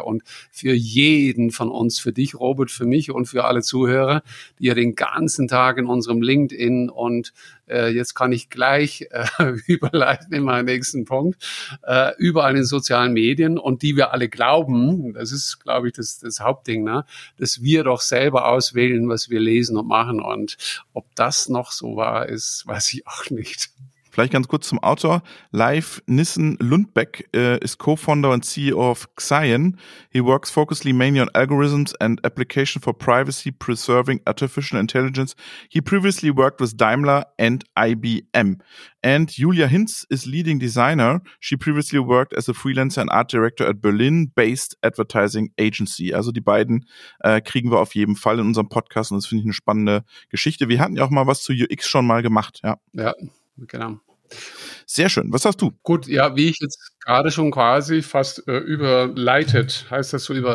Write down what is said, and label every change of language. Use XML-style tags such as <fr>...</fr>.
<de>Und für jeden von uns, für dich, Robert, für mich und für alle Zuhörer, die ja den ganzen Tag in unserem LinkedIn und jetzt kann ich gleich überleiten in meinen nächsten Punkt, überall in den sozialen Medien und die wir alle glauben, das ist, glaube ich, das Hauptding, ne? Dass wir doch selber auswählen, was wir lesen und machen. Und ob das noch so wahr ist, weiß ich auch nicht. Vielleicht ganz kurz zum Autor. Leif Nissen-Lundbeck ist Co-Founder und CEO of Xayan.</de> <en>He works focusedly mainly on algorithms and application for privacy-preserving artificial intelligence. He previously worked with Daimler and IBM. And Julia Hinz is leading designer. She previously worked as a freelancer and art director at Berlin-based advertising agency.</en> <de>Also die beiden kriegen wir auf jeden Fall in unserem Podcast. Und das finde ich eine spannende Geschichte. Wir hatten ja auch mal was zu UX schon mal gemacht. Ja. Genau. Sehr schön. Was hast du? Gut, ja, wie ich jetzt gerade schon quasi fast überleitet, heißt das so,</de>